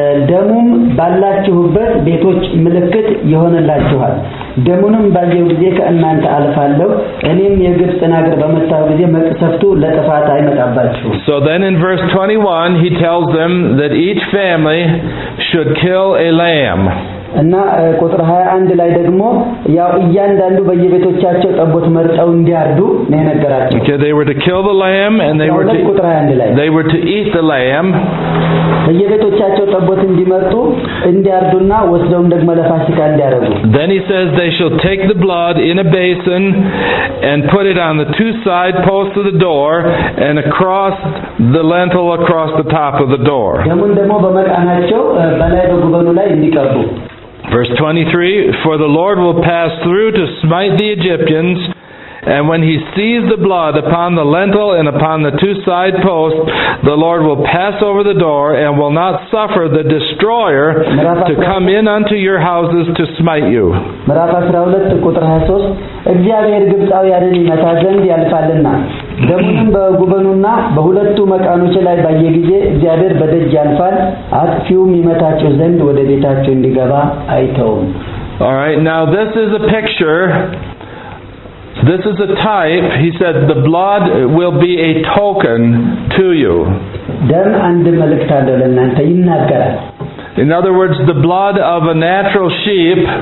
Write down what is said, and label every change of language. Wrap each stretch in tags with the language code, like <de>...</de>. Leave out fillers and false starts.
<am>ደሙም ባላችሁበት ቤቶች ምልክት ይሆንላችኋል። ደሙንም ባየው ጊዜ ከእናንተ አልፋለሁ እኔም የግብጽን አገር በመጣሁ ጊዜ መቅሰፍቱ ለጥፋት አይመጣባችሁ።</am> <en>So then in verse 21 he tells them that each family should kill a lamb.</en> <am>እና ቁጥር 21 ላይ ደግሞ ያው እያንዳንዱ በየቤቶቻቸው ጠቦት መርጠው እንዲያርዱ ነው የነገራቸው።</am> <en>Okay, they were to kill the lamb and they were to eat the lamb.</en> <am>በየቤቶቻቸው ጠቦት እንዲመርጡ እንዲያርዱና ወስደውም ደግሞ ለፋሲካ እንዲያረጉ።</am> <en>Then he says they shall take the blood in a basin and put it on the two side posts of the door and across the lintel across the top of the door.</en> <am>ደሙን ደግሞ በመቃናቸው በላይ በጉበኑ ላይ እንዲቀቡ።</am> <en>Verse 23, for the Lord will pass through to smite the Egyptians, and when he sees the blood upon the lintel and upon the two side posts, the Lord will pass over the door and will not suffer the destroyer to come in unto your houses to smite you.</en> <am>እግዚአብሔር ግብጻውያንን ይመታ ዘንድ ያልፋልና ደሙንም በጉበኑና በሁለቱ መቃኖች ላይ ባየ ጊዜ እግዚአብሔር በደጅ ያልፋል አጥፊውም ይመታቸው ዘንድ ወደ ቤታቸው እንዲገባ አይተውም።</am> <en>All right, now this is a picture. This is a type. He said the blood will be a token to you.</en> <am>ደም አንድ መልእክት አለ ለእናንተ ይናገራል።</am> <en>In other words, the blood of a natural sheep</en>